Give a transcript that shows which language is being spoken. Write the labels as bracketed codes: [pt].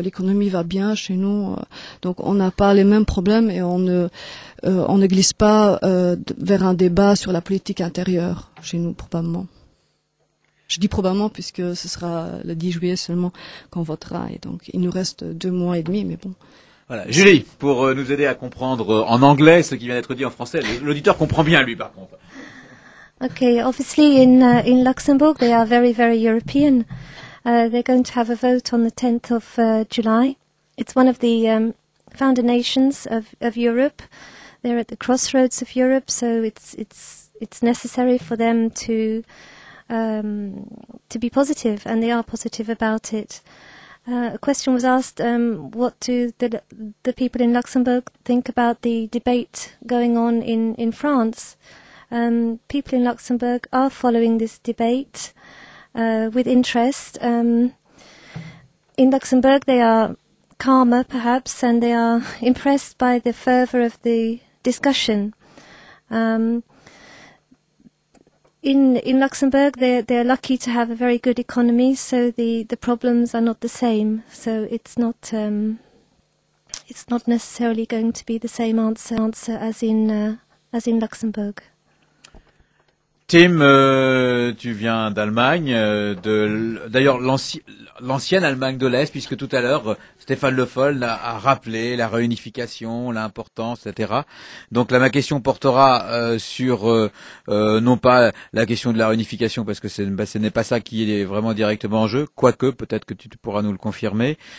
[fr] L'économie va bien chez nous, donc on n'a pas les mêmes problèmes et on ne glisse pas vers un débat sur la politique intérieure chez nous, probablement. Je dis probablement puisque ce sera le 10 juillet seulement qu'on votera et donc il nous reste 2 mois et demi, mais bon. Voilà, Julie, pour nous aider à comprendre en anglais ce qui vient d'être dit en français, l'auditeur comprend bien lui par contre. [en] Okay, obviously in Luxembourg they are very very European. They're going to have a vote on the 10th of July. It's one of the founder nations of Europe. They're at the crossroads of Europe, so it's necessary for them to be positive, and they are positive about it. A question was asked, what do the people in Luxembourg think about the debate going on in France? People in Luxembourg are following this debate with interest. In Luxembourg they are calmer perhaps, and they are impressed by the fervor of the discussion. In Luxembourg, they're lucky to have a very good economy, so the problems are not the same. So it's not necessarily going to be the same answer as in Luxembourg. [fr] Tim, tu viens d'Allemagne, d'ailleurs l'ancienne Allemagne de l'Est, puisque tout à l'heure, Stéphane Le Foll a rappelé la réunification, l'importance, etc. Donc là, ma question portera non pas la question de la réunification, parce que ce n'est pas ça qui est vraiment directement en jeu, quoique peut-être que tu pourras nous le confirmer.